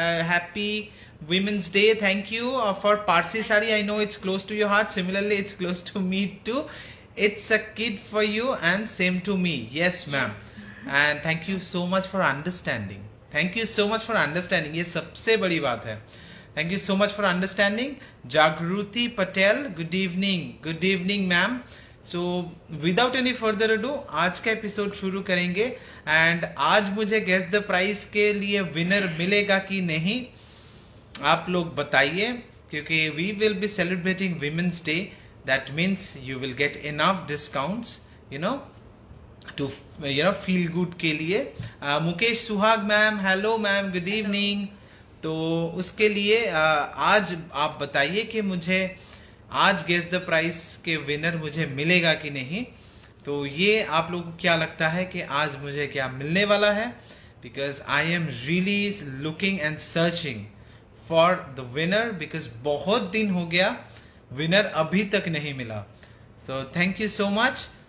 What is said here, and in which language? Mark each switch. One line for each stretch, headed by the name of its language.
English: happy women's day thank you for Parsi sari I know it's close to your heart similarly it's close to me too it's a kid for you and same to me yes ma'am and thank you so much for understanding thank you so much for understanding
Hindi: ইয়ে সবসে বড়ি বাত হ্যাঁ
English: Thank you so much for understanding. Jagruti Patel, good evening. Good evening, ma'am. So, without any further ado,
Hindi: aaj ka episode shuru karenge. And aaj mujhe
English: guess the prize
Hindi: ke liye winner milega ki nahi. Aap log bataiye. Kyunki
English: we will be celebrating Women's Day. That means you will get enough discounts, you know. To, you know, feel good
Hindi: ke liye.
English: Mukesh Suhag, ma'am. Hello, ma'am. Good evening. Hello.
Hindi: तो उसके लिए आज आप बताइए कि मुझे आज guess the price के विनर मुझे मिलेगा कि नहीं तो ये आप लोग को क्या लगता है कि आज मुझे क्या मिलने वाला है
English: because I am really looking and searching for the winner
Hindi: because बहुत दिन हो गया विनर अभी तक नहीं मिला
English: so thank you so much